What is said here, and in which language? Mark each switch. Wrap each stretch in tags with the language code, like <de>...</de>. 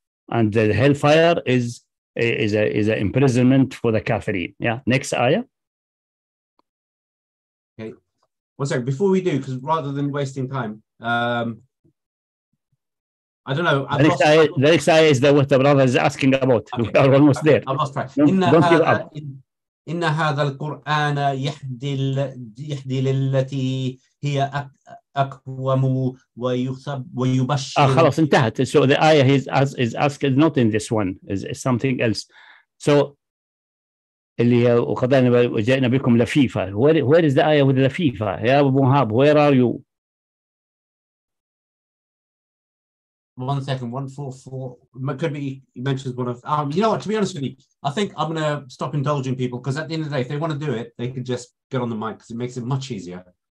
<en>And the hellfire is an imprisonment for the kafirin. Yeah, next ayah. Okay, 1 sec. Before we do, because rather than wasting time, I don't know. The next ayah is what the brother is asking about. Okay. We are almost there. I've lost track. Don't give up.</en> <ar>إن هذا القرآن يهدي للتي هي أقوم ويبشر. خلاص انتهت.</ar> <en>So the ayah is asked not in this one, is something else. So</en> <ar>اللي هي وخذنا وجئنا بكم لفيفة.</ar> <en>Where is the ayah with لفيفة؟</en> <ar>يا أبو مهاب,</ar> <en>where are you? One second, 144. Could be he mentions one of you know what, to be honest with you, I think I'm gonna stop indulging people because at the end of the day, if they want to do it, they could just get on the mic because it makes it much easier.</en>